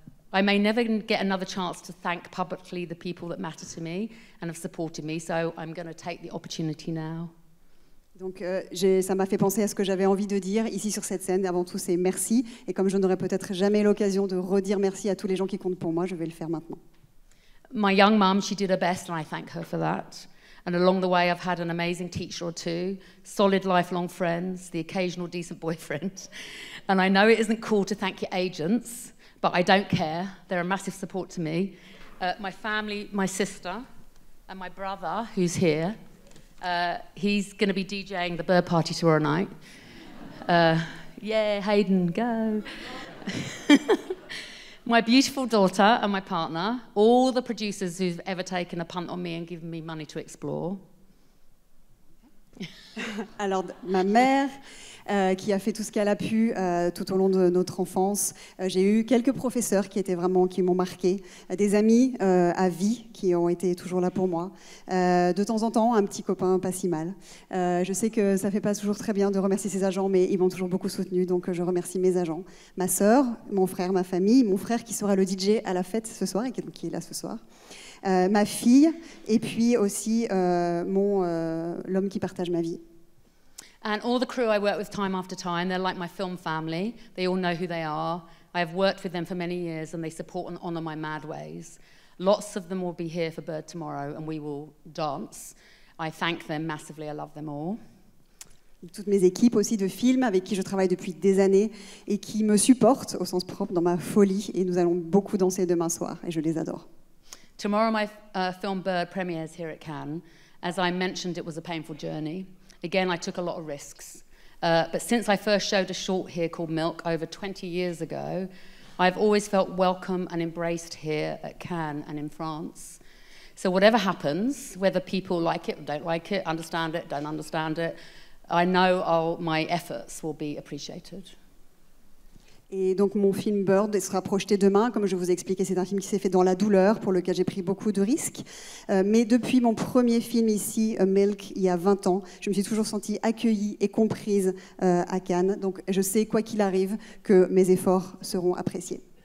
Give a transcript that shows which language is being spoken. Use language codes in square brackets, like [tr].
[en] I may never get another chance to thank publicly the people that matter to me and have supported me, so I'm going to take the opportunity now. [fr] Donc ça m'a fait penser à ce que j'avais envie de dire ici sur cette scène. Avant tout, c'est merci. Et comme je n'aurai peut-être jamais l'occasion de redire merci à tous les gens qui comptent pour moi, je vais le faire maintenant. [en] My young mom, she did her best and I thank her for that. And along the way, I've had an amazing teacher or two, solid lifelong friends, the occasional decent boyfriend. And I know it isn't cool to thank your agents, but I don't care. They're a massive support to me. My family, my sister, and my brother, who's here, he's going to be DJing the bird party tomorrow night. Yeah, Hayden, go. My beautiful daughter and my partner, all the producers who've ever taken a punt on me and given me money to explore. [fr] Alors, ma mère, qui a fait tout ce qu'elle a pu tout au long de notre enfance. J'ai eu quelques professeurs qui m'ont marqué, des amis à vie qui ont été toujours là pour moi. De temps en temps, un petit copain, pas si mal. Je sais que ça ne fait pas toujours très bien de remercier ses agents, mais ils m'ont toujours beaucoup soutenue, donc je remercie mes agents. Ma sœur, mon frère, ma famille, mon frère qui sera le DJ à la fête ce soir, et qui est là ce soir. Ma fille, et puis aussi l'homme qui partage ma vie. [en] And all the crew I work with time after time, they're like my film family. They all know who they are. I have worked with them for many years and they support and honor my mad ways. Lots of them will be here for Bird tomorrow and we will dance. I thank them massively. I love them all. [fr] Toutes mes équipes aussi de films avec qui je travaille depuis des années et qui me supportent au sens propre dans ma folie, et nous allons beaucoup danser demain soir et je les adore. [en] Tomorrow my film Bird premieres here at Cannes. As I mentioned, it was a painful journey. Again, I took a lot of risks, but since I first showed a short here called Milk over 20 years ago, I've always felt welcome and embraced here at Cannes and in France. So whatever happens, whether people like it or don't like it, understand it, don't understand it, I know my efforts will be appreciated. [fr] Et donc mon film Bird sera projeté demain, comme je vous ai expliqué, c'est un film qui s'est fait dans la douleur, pour lequel j'ai pris beaucoup de risques. Mais depuis mon premier film ici, Milk, il y a 20 ans, je me suis toujours sentie accueillie et comprise à Cannes. Donc je sais, quoi qu'il arrive, que mes efforts seront appréciés.